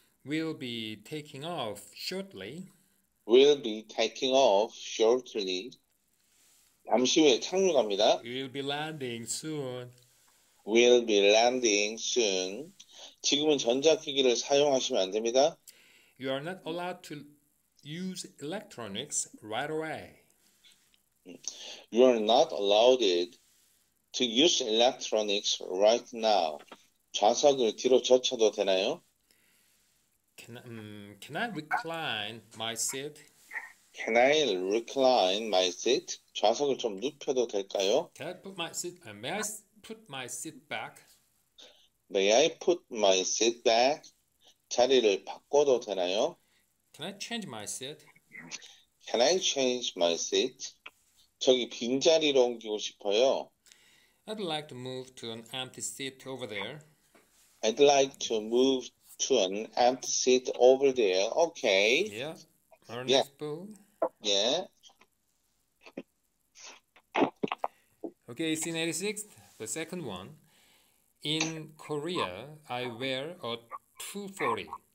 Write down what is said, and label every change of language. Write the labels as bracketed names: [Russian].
[English] We'll be taking off shortly. We'll be taking off shortly. [Korean] 잠시 후에 착륙합니다. [English] We'll be landing soon. We'll be landing soon. [Korean] 지금은 전자기기를 사용하시면 안 됩니다. [English] You are not allowed to use electronics right away. You are not allowed to use electronics right now. [Korean] 좌석을 뒤로 젖혀도 되나요? [English] Can I recline my seat? Can I recline my seat? [Korean] 좌석을 좀 눕혀도 될까요? [English] May I put my seat back? May I put my seat back? [Korean] 자리를 바꿔도 되나요? [English] Can I change my seat? Can I change my seat? [Korean] 저기 빈 자리로 옮기고 싶어요. [English] I'd like to move to an empty seat over there. I'd like to move to an empty seat over there. Okay. Yeah. Our next pool. Yeah. Okay, scene 86, the second one. In Korea, I wear a 240.